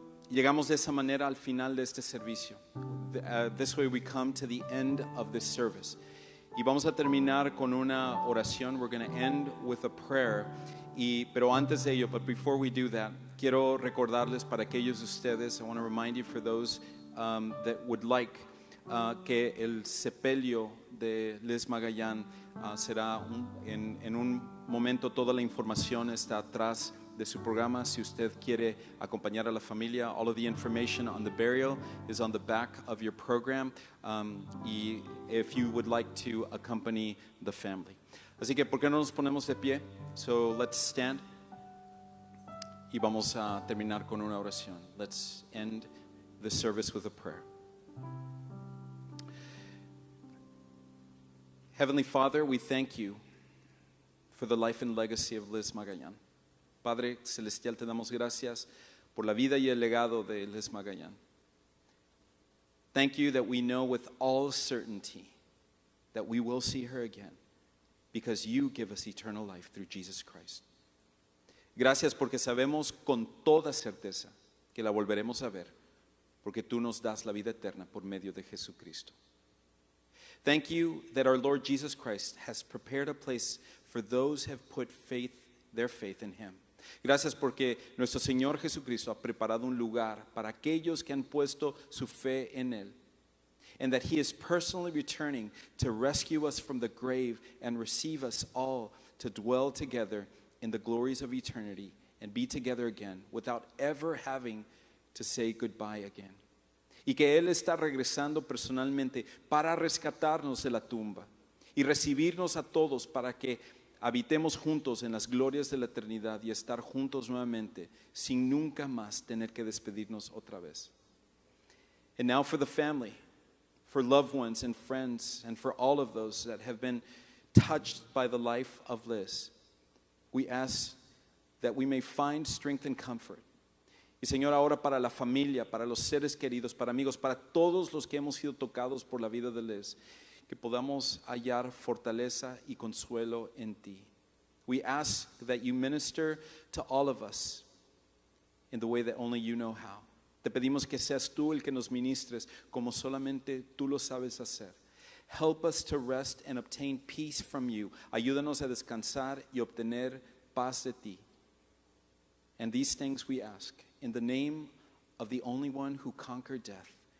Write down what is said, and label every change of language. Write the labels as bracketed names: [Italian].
[Spanish] Llegamos de esa manera al final de este servicio. [English] This way we come to the end of this service. [Spanish] Y vamos a terminar con una oración. [English] We're going to end with a prayer. [Spanish] Pero antes de ello, [English] but before we do that, [Spanish] quiero recordarles para aquellos de ustedes, [English] I want to remind you for those that would like, [Spanish] que el sepelio de Liz Magallan será en un momento. Toda la información está atrás de su programa. Si usted quiere acompañar a la familia, [English] all of the information on the burial is on the back of your program. Y if you would like to accompany the family. [Spanish] Así que, ¿por qué no nos ponemos de pie? [English] So let's stand. [Spanish] Y vamos a terminar con una oración. [English] Let's end the service with a prayer. Heavenly Father, we thank you for the life and legacy of Liz Magallan. [Spanish] Padre Celestial, te damos gracias por la vida y el legado de Liz Magallan. [English] Thank you that we know with all certainty that we will see her again because you give us eternal life through Jesus Christ. [Spanish] Gracias porque sabemos con toda certeza que la volveremos a ver porque tú nos das la vida eterna por medio de Jesucristo. [English] Thank you that our Lord Jesus Christ has prepared a place for those who have put faith, their faith in him. [Spanish] Gracias porque nuestro Señor Jesucristo ha preparado un lugar para aquellos que han puesto su fe en él. [English] And that he is personally returning to rescue us from the grave and receive us all to dwell together in the glories of eternity and be together again without ever having to say goodbye again. [Spanish] Y que él está regresando personalmente para rescatarnos de la tumba y recibirnos a todos para que habitemos juntos en las glorias de la eternidad y estar juntos nuevamente sin nunca más tener que despedirnos otra vez. [English] And now for the family, for loved ones and friends, and for all of those that have been touched by the life of Liz, we ask that we may find strength and comfort. [Spanish] Y Señor, ahora para la familia, para los seres queridos, para amigos, para todos los que hemos sido tocados por la vida de Liz, que podamos hallar fortaleza y consuelo en ti. [English] We ask that you minister to all of us in the way that only you know how. [Spanish] Te pedimos que seas tú el que nos ministres como solamente tú lo sabes hacer. [English] Help us to rest and obtain peace from you. [Spanish] Ayúdanos a descansar y obtener paz de ti. [English] And these things we ask in the name of the only one who conquered death.